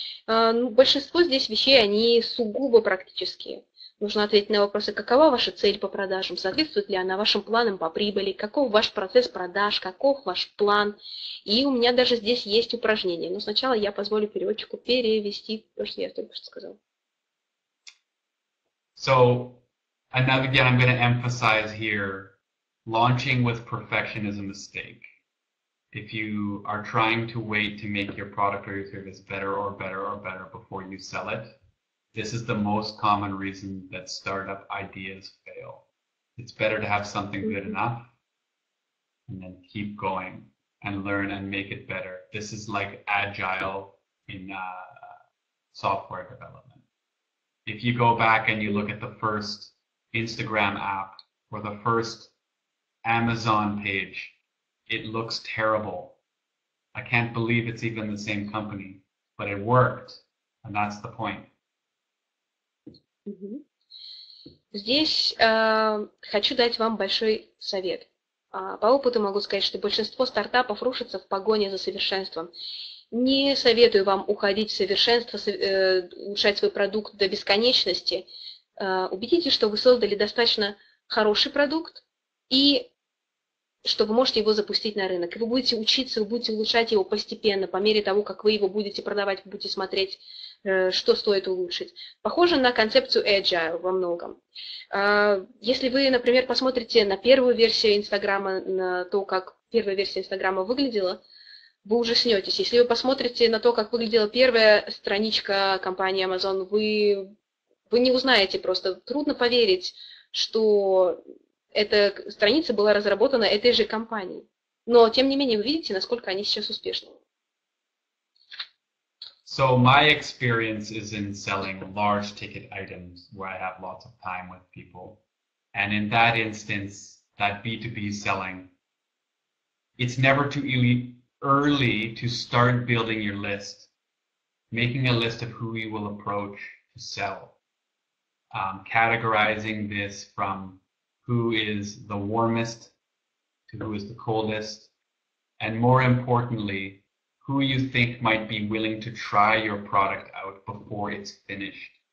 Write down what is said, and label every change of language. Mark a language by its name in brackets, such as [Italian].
[Russian] Ну, большинство здесь вещей, они сугубо практические. Нужно ответить на вопросы, какова ваша цель по продажам, соответствует ли она вашим планам по прибыли, каков ваш процесс продаж, каков ваш план. И у меня даже здесь есть упражнение. Но сначала я позволю переводчику перевести то, что я только что сказала. [English] So, another again, I'm going to emphasize here, launching with perfection is a mistake. If you are trying to wait to make your product or your service better or better or better before you sell it, this is the most common reason that startup ideas fail. It's better to have something good enough and then keep going and learn and make it better. This is like agile in software development. If you go back and you look at the first Instagram app or the first Amazon page, it looks terrible. I can't believe it's even the same company, but it worked, and that's the point. [Russian] Здесь хочу дать вам большой совет. По опыту могу сказать, что большинство стартапов рушится в погоне за совершенством. Не советую вам уходить в совершенство, улучшать свой продукт до бесконечности. Убедитесь, что вы создали достаточно хороший продукт, и что вы можете его запустить на рынок. И вы будете учиться, вы будете улучшать его постепенно, по мере того, как вы его будете продавать, вы будете смотреть, что стоит улучшить. Похоже на концепцию Agile во многом. Если вы, например, посмотрите на первую версию Инстаграма, на то, как первая версия Инстаграма выглядела, вы ужаснетесь. Если вы посмотрите на то, как выглядела первая страничка компании Amazon, вы не узнаете просто. Трудно поверить, что эта страница была разработана этой же компанией. Но, тем не менее, вы видите, насколько они сейчас успешны. [English] So my experience is in selling large ticket items where I have lots of time with people. And in that instance, that B2B selling, it's never too early to start building your list, making a list of who you will approach to sell, categorizing this from who is the warmest to who is the coldest, and more importantly, who you think might be willing to try your product out before it's finished.